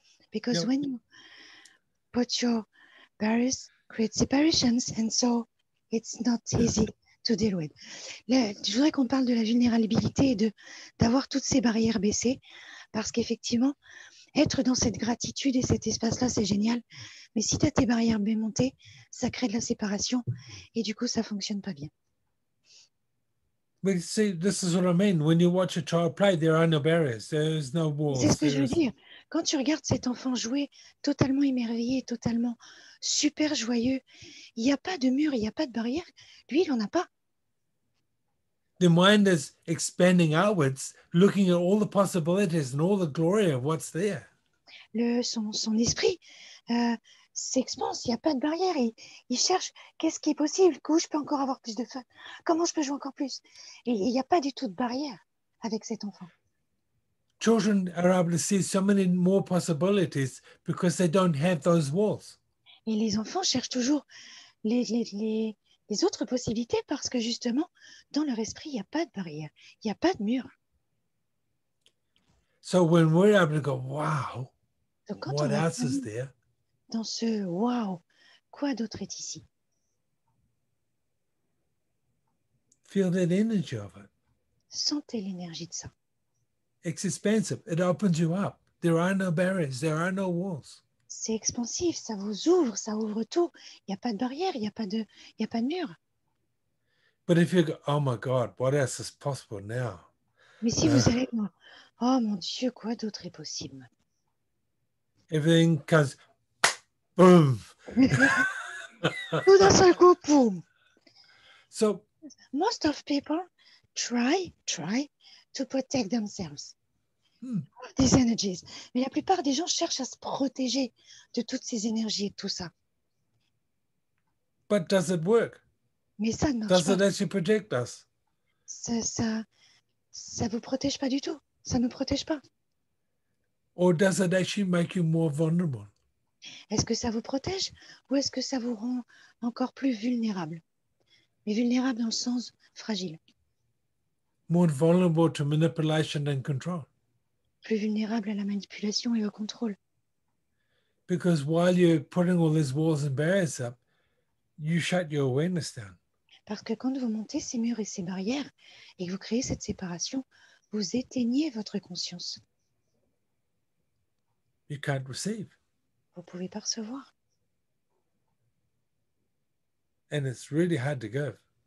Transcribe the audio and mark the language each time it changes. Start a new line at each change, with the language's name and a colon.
English: Because yep. When you put your barriers, create separations, and so it's not easy to deal with.
French: Je voudrais qu'on parle de la vulnérabilité et d'avoir toutes ces barrières baissées, parce qu'effectivement, être dans cette gratitude et cet espace-là, c'est génial. Mais si tu as tes barrières démontées, ça crée de la séparation et du coup, ça ne fonctionne pas bien.
English: Mais see, this is what I mean. When you watch a child play, there are no barriers. There is no walls.
French: C'est ce que
English: there
French: je veux dire. Quand tu regardes cet enfant jouer totalement émerveillé, totalement super joyeux, il n'y a pas de mur, il n'y a pas de barrière. Lui, il n'en a pas.
English: The mind is expanding outwards, looking at all the possibilities and all the glory of what's there.
French: Son esprit s'expanse, il n'y a pas de barrière. Il cherche qu'est-ce qui est possible, où je peux encore avoir plus de fun, comment je peux jouer encore plus. Il n'y a pas du tout de barrière avec cet enfant.
English: Children are able to see so many more possibilities because they don't have those walls.
French: Et les enfants cherchent toujours les autres possibilités parce que justement, dans leur esprit, il n'y a pas de barrière, il n'y a pas de mur.
English: So when we're able to go, wow,
French: donc quand
English: what else is there?
French: Dans ce wow, quoi d'autre est ici?
English: Feel that energy of it.
French: Sentez l'énergie de ça.
English: It's expansive. It opens you up. There are no barriers. There are no walls.
French: C'est expansif. Ça vous ouvre. Ça ouvre tout. Il n'y a pas de barrière. Il n'y a pas de mur.
English: But if you go, oh my God, what else is possible now?
French: Mais si vous allez, oh mon Dieu, quoi d'autre est possible?
English: Everything comes, boom.
French: Tout d'un seul coup, boom.
English: So, most of people try to protect themselves. These energies.
French: Mais la plupart des gens cherchent à se protéger de toutes ces énergies et tout ça.
English: But does it work?
French: Mais ça ne marche
English: does
French: pas.
English: Does it actually protect us?
French: Ça vous protège pas du tout. Ça nous protège pas.
English: Or does it actually make you more vulnerable?
French: Est-ce que ça vous protège ou est-ce que ça vous rend encore plus vulnérable? Mais vulnérable dans le sens fragile.
English: More vulnerable to manipulation and control.
French: Plus vulnérable à la manipulation et au contrôle.
English: Because while you're putting all these walls and barriers up, you shut your awareness down.
French: Parce que quand vous montez ces murs et ces barrières et que vous créez cette séparation, vous éteignez votre conscience.
English: You can't receive.
French: Vous pouvez pas recevoir.
English: And it's really hard to give.